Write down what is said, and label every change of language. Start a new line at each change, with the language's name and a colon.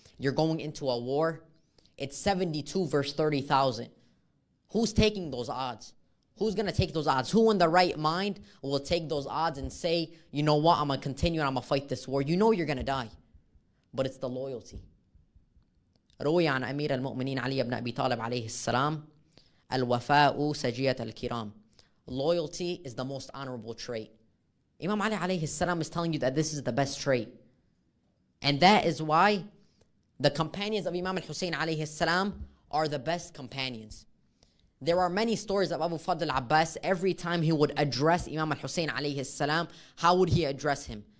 English: You're going into a war, it's 72 versus 30,000. Who's taking those odds? Who's going to take those odds? Who in the right mind will take those odds and say, you know what, I'm going to continue and I'm going to fight this war? You know you're going to die, but it's the loyalty.
Arabic: رويا عن أمير المؤمنين علي بن أبي طالب عليه السلام الوفاء سجية الكرام.
English: Loyalty is the most honorable trait. Imam Ali alayhi salam is telling you that this is the best trait. And that is why the companions of Imam al-Husayn alayhi salam are the best companions. There are many stories of Abu Fadl Abbas. Every time he would address Imam al-Hussein alayhi salam, how would he address him?